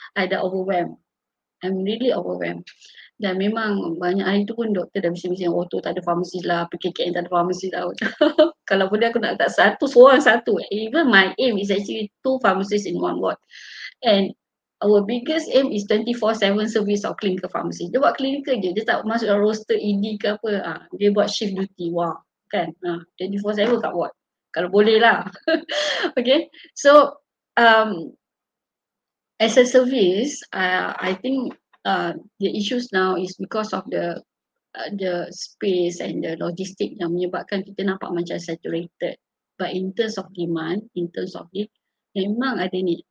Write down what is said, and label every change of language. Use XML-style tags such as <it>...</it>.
<ms>I dah overwhelmed.</ms> <en>I'm really overwhelmed.</en> <ms>Dan memang banyak hari tu pun doktor dah bising-bising, oh tu tak ada pharmacist lah, PKKN tak ada pharmacist lah. Kalau boleh aku nak letak satu, seorang satu.</ms> <en>Even my aim is actually two pharmacists in one ward. And our biggest aim is 24/7 service of clinical pharmacy.</en> <ms>Dia buat clinical je, dia tak masuk dalam roster ED ke apa. Dia buat shift duty, wah kan. 24/7 kat ward, kalau boleh lah.</ms> <en>Okay, so as a service, I think the issues now is because of the space and the logistic</en> <ms>yang menyebabkan kita nampak macam saturated.</ms> <en>But in terms of demand, in terms of need,</en> <ms>memang ada ni.</ms>